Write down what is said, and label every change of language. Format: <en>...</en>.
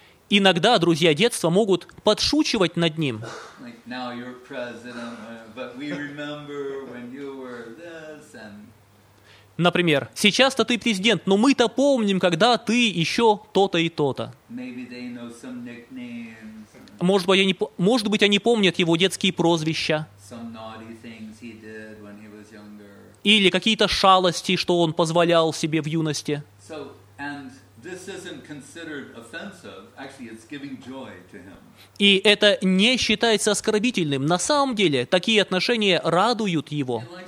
<ru>Иногда друзья детства могут подшучивать над ним.</ru> <en>Now you're president, but we remember when you were this and...</en> <ru>Например, сейчас-то ты президент, но мы-то помним, когда ты еще то-то и то-то.</ru> <en>Maybe they know some nicknames.</en> <ru>Может быть, они помнят его детские прозвища.</ru> <en>Some naughty things he did when he was younger.</en> <ru>Или какие-то шалости, что он позволял себе в юности.</ru> <en>So, and this isn't considered offensive. Actually, it's giving joy to him.</en> <ru>И это не считается оскорбительным. На самом деле, такие отношения радуют его.</ru>